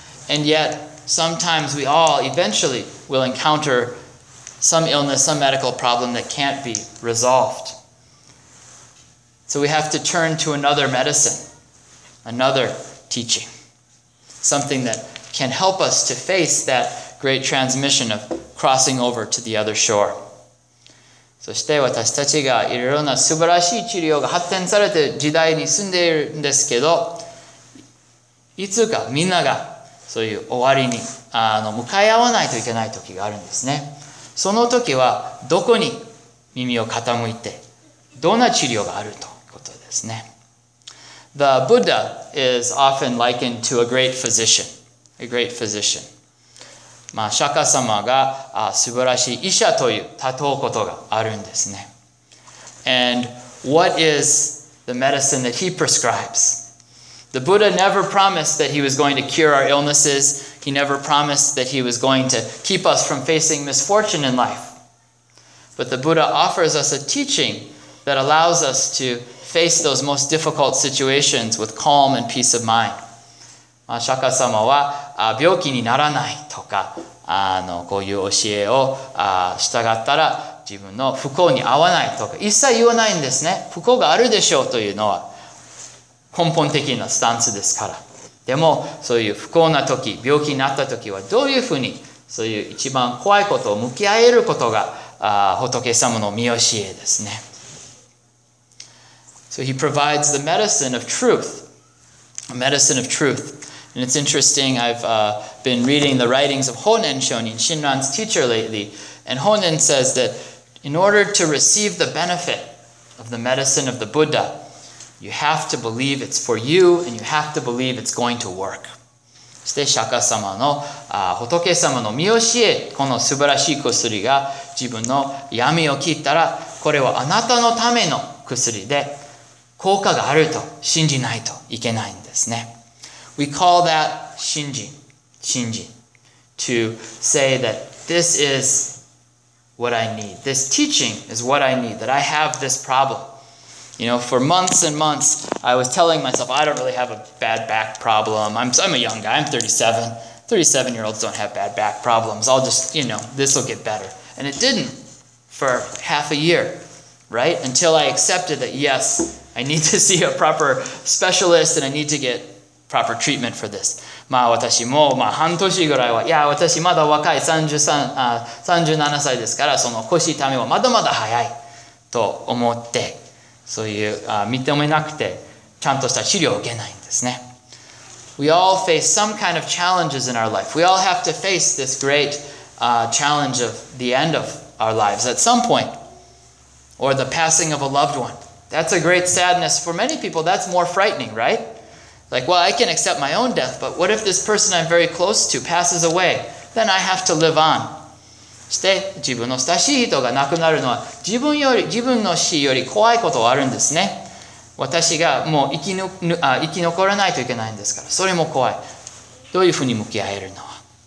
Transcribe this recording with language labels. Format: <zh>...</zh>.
<en>And yet, sometimes we all eventually will encounter some illness, some medical problem that can't be resolved. So we have to turn to another medicine, another teaching, something that can help us to face that great transmission of crossing over to the other shore.</en> <ja>そして私たちがいろいろな素晴らしい治療が発展されている時代に住んでいるんですけど、いつかみんながそういう終わりに向かい合わないといけない時があるんですね。その時はどこに耳を傾いて、どんな治療があるということですね。</ja> <en>The Buddha is often likened to a great physician. A great physician.</en> <ja>まあ、釈迦様が素晴らしい医者という例えことがあるんですね。</ja> <en>And what is the medicine that he prescribes? The Buddha never promised that he was going to cure our illnesses. He never promised that he was going to keep us from facing misfortune in life. But the Buddha offers us a teaching that allows us to face those most difficult situations with calm and peace of mind.</en> <ja>釈迦様は病気にならないとかこういう教えを従ったら自分の不幸に合わないとか一切言わないんですね。不幸があるでしょうというのは根本的なスタンスですから。でもそういう不幸な時、病気になった時はどういうふうにそういう一番怖いことを向き合えることが仏様の御教えですね。</ja> <en>So he provides the medicine of truth. A medicine of truthAnd it's interesting, I've been reading the writings of Honen Shonin, Shinran's teacher lately, and Honen says that in order to receive the benefit of the medicine of the Buddha, you have to believe it's for you, and you have to believe it's going to work.</en> <ja>そして釈迦様の、仏様の御教え、この素晴らしい薬が自分の闇を切ったら、これはあなたのための薬で効果があると信じないといけないんですね。</ja> <en>We call that 信心, to say that this is what I need. This teaching is what I need, that I have this problem. You know, for months and months, I was telling myself, I don't really have a bad back problem. I'm a young guy, I'm 37. 37-year-olds don't have bad back problems. I'll just, you know, this will get better. And it didn't for half a year, right? Until I accepted that, yes, I need to see a proper specialist and I need to get... proper treatment for this.</en> <ja>まあ私もまあ半年ぐらいは、いや私まだ若い37歳ですから、その腰痛みはまだまだ早いと思って、そういう認めなくてちゃんとした治療を受けないんですね。</ja> <en>We all face some kind of challenges in our life. We all have to face this great challenge of the end of our lives at some point, or the passing of a loved one. That's a great sadness for many people. That's more frightening, right? Like, well, I can accept my own death, but what if this person I'm very close to passes away? Then I have to live on.</en> <ja>そして自分の親しい人が亡くなるのは自分の死より怖いことはあるんですね。私がもう生き残らないといけないんですから、それも怖い。どういうふうに向き合えるのは。</ja>